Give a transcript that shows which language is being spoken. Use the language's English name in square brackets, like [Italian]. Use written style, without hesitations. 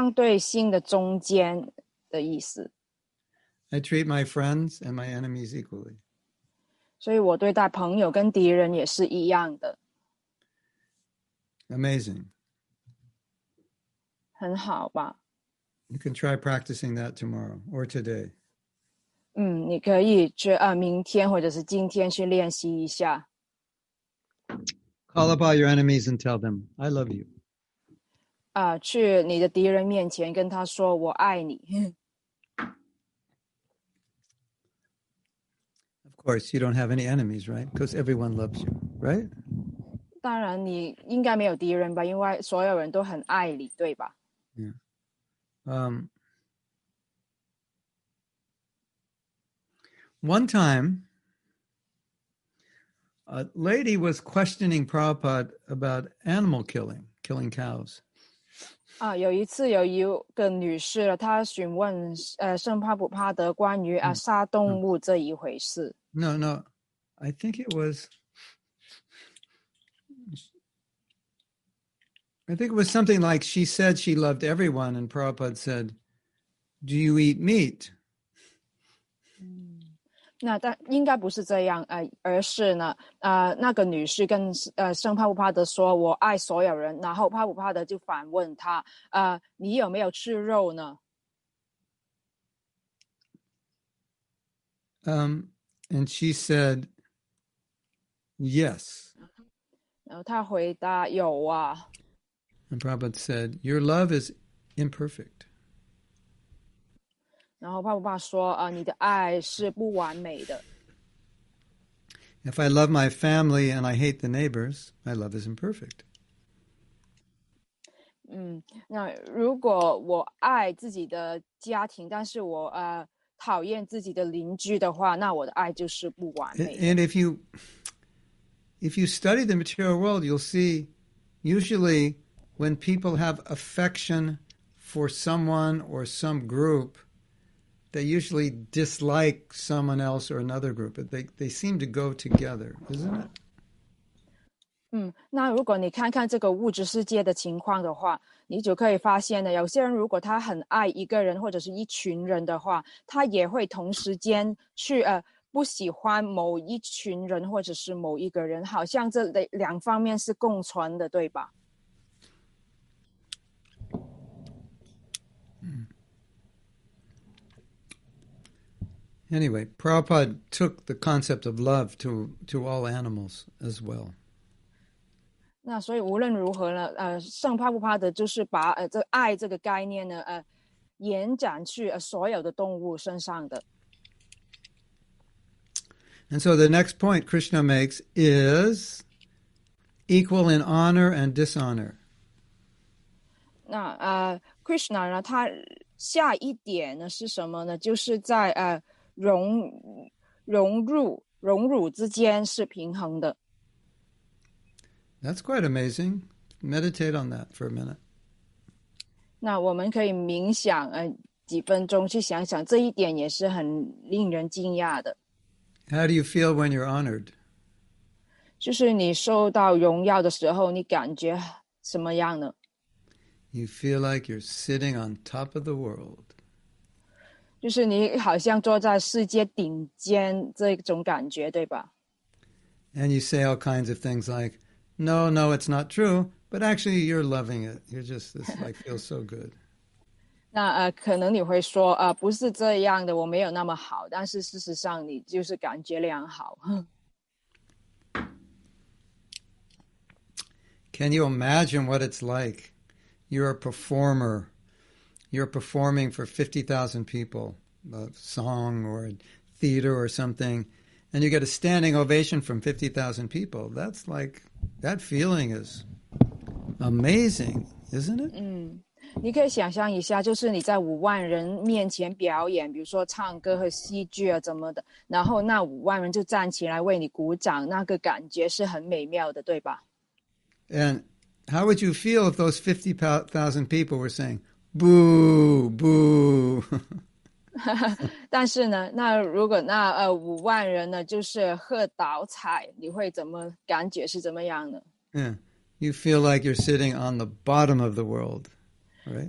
[Chinese] 就是上对心的中间的意思。 [English] I treat my friends and my enemies equally. [Chinese] 所以我对待朋友跟敌人也是一样的。 [English] Amazing. [Chinese] 很好吧。 [English] You can try practicing that tomorrow or today. [Chinese] 你可以明天或者是今天去练习一下。 [English] Call up all your enemies and tell them, I love you. [Chinese] 去你的敌人面前跟他说我爱你。 [English] Of course, you don't have any enemies, right? Because everyone loves you, right? [Chinese] 当然你应该没有敌人吧, 因为所有人都很爱你, 对吧? [English] One time, a lady was questioning Prabhupada about animal killing cows. [Chinese] 有一次有一个女士, 她询问, 圣帕普帕德关于, 杀动物这一回事。 [English] No, I think it was... I think it was something like she said she loved everyone and Prabhupada said, do you eat meat? [Chinese] 那应该不是这样, 而是呢, 那个女士跟, 圣帕普帕德说, 我爱所有人, 然后帕普帕德就反问她, 你有没有吃肉呢? [English] And she said, yes. [Chinese] 然后她回答, 有啊。 [English] And Prabhupada said, your love is imperfect. [Chinese] 然后爸爸说, 你的爱是不完美的。 [English] If I love my family and I hate the neighbors, my love is imperfect. [Chinese] 那如果我爱自己的家庭，但是我讨厌自己的邻居的话，那我的爱就是不完美的。 [English] And if you study the material world, you'll see usually when people have affection for someone or some group, they usually dislike someone else or another group, but they seem to go together, isn't it? [Chinese] 那如果你看看这个物质世界的情况的话，你就可以发现呢，有些人如果他很爱一个人或者是一群人的话，他也会同时间去不喜欢某一群人或者是某一个人，好像这两方面是共存的，对吧？ [English] Anyway, Prabhupada took the concept of love to all animals as well. [Chinese] 那所以无论如何呢，圣帕布帕德就是把这爱这个概念呢，延展去所有的动物身上的。 [English] And so the next point Krishna makes is equal in honor and dishonor. [Chinese] 那Krishna 呢，他下一点呢是什么呢？就是在荣辱之间是平衡的。 [English] That's quite amazing. Meditate on that for a minute. [Chinese] 那我们可以冥想几分钟去想想，这一点也是很令人惊讶的。 [English] How do you feel when you're honored? [Chinese] 就是你受到荣耀的时候，你感觉什么样呢？ [English] You feel like you're sitting on top of the world. [Chinese] 就是你好像坐在世界顶尖这种感觉，对吧？ [English] And you say all kinds of things like,No, no, it's not true. But actually, you're loving it. You're just, this like, feels so good. [Chinese] 那可能你会说不是这样的，我没有那么好。但是事实上，你就是感觉良好。 [English] Can you imagine what it's like? You're a performer. You're performing for 50,000 people, a song or a theater or something, and you get a standing ovation from 50,000 people. That's like... That feeling is amazing, isn't it? [Chinese] 你可以想象一下，就是你在五万人面前表演，比如说唱歌和戏剧啊，怎么的，然后那五万人就站起来为你鼓掌，那个感觉是很美妙的，对吧？ [English] And how would you feel if those 50,000 people were saying, boo, boo? [Chinese] 但是呢，那如果那五万人呢，就是喝倒彩，你会怎么感觉是怎么样呢？ [English] You feel like you're sitting on the bottom of the world, right?